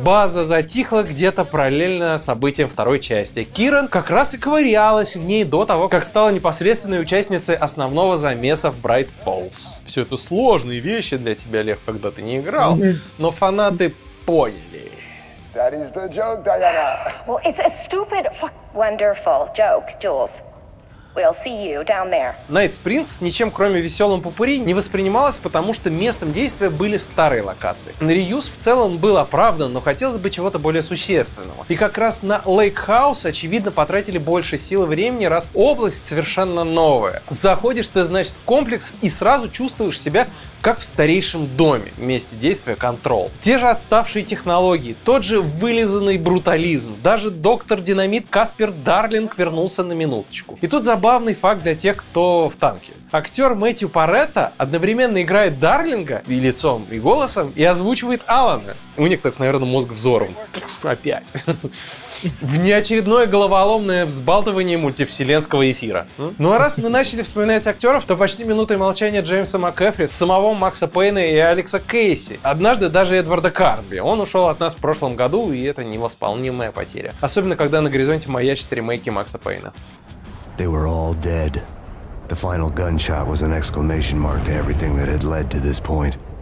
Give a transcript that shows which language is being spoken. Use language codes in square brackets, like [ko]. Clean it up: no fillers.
[ru] База затихла где-то параллельно событиям второй части. Кирен как раз и ковырялась в ней до того, как стала непосредственной участницей основного замеса в Bright Falls. Все это сложные вещи для тебя, Лев, когда ты не играл, но фанаты поняли. [en] That is the joke, Diana. Well, it's a stupid, fuck, wonderful joke, Jules. We'll see you down there. [ru] Night Springs ничем, кроме веселым попурри, не воспринималось, потому что местом действия были старые локации. Reuse в целом был оправдан, но хотелось бы чего-то более существенного. И как раз на Lake House, очевидно, потратили больше сил и времени, раз область совершенно новая. Заходишь ты, значит, в комплекс и сразу чувствуешь себя как в старейшем доме, месте действия Control. Те же отставшие технологии, тот же вылизанный брутализм, даже доктор Динамит Каспер Дарлинг вернулся на минуточку. И тут забавный факт для тех, кто в танке. Актер Мэтью Паретто одновременно играет Дарлинга и лицом, и голосом, и озвучивает Алана. У некоторых, наверное, мозг взорван. Опять. Внеочередное головоломное взбалтывание мультивселенского эфира. Ну а раз мы начали вспоминать актеров, то почти минутой молчания Джеймса МакЭфри, самого Макса Пейна и Алекса Кейси. Однажды даже Эдварда Карби. Он ушел от нас в прошлом году, и это невосполнимая потеря. Особенно, когда на горизонте маячат ремейки Макса Пейна. [en] They were all dead. The final gunshot was an exclamation mark to everything that had led to this point.